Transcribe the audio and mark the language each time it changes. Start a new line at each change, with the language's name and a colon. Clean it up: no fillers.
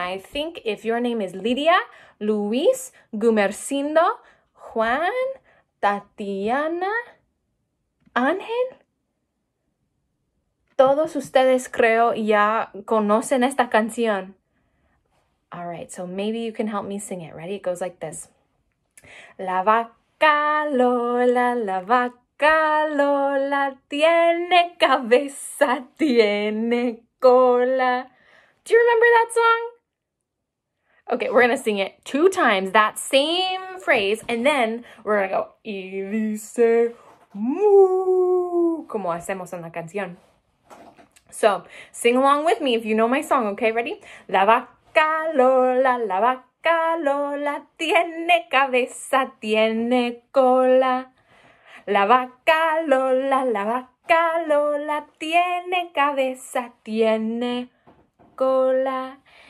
English: I think if your name is Lydia, Luis, Gumercindo, Juan, Tatiana, Ángel,
Spanish: todos ustedes creo ya conocen esta canción.
English: All right, so maybe you can help me sing it. Ready? It goes like this.
Spanish: La vaca Lola, la vaca Lola, tiene cabeza, tiene cola.
English: Do you remember that song? Okay, we're gonna sing it two times, that same phrase, and then we're gonna go,
Spanish: y dice mu, como hacemos en la canción.
English: So, sing along with me if you know my song, okay? Ready?
Spanish: La vaca Lola, tiene cabeza, tiene cola. La vaca Lola, tiene cabeza, tiene cola.